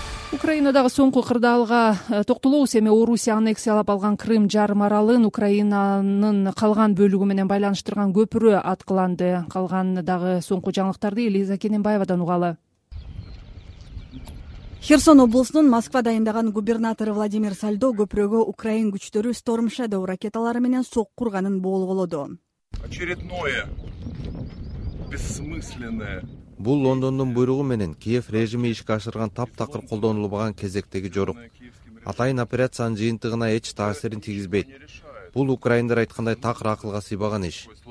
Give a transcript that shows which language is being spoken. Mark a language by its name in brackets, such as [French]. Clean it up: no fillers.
[Kyrgyz] Украинадагы соңку кырдаалга токтолобуз. Эми Орусия аннексиялап алган Крым жарым аралын Украинанын калган бөлүгү менен байланыштырган көпүрө аткыланды. Калгандагы соңку жаңылыктарды Элиза Кененбаевадан угалы. Херсон облусунун Москва дайындаган губернатору Владимир Сальдо көпүрөгө украин күчтөрү Storm Shadow ракеталары менен соккурганын болголоду. [Russian] Очередное бессмысленное. [Kyrgyz] Бул Лондондун буйругу менен Киев режими ишке ашырган таптакыр колдонулбаган кезектеги жорук. Атайын операциянын жыйынтыгына эч таасирин тийгизбейт. Бул украиндер айткандай такыр акылга сыйбаган иш.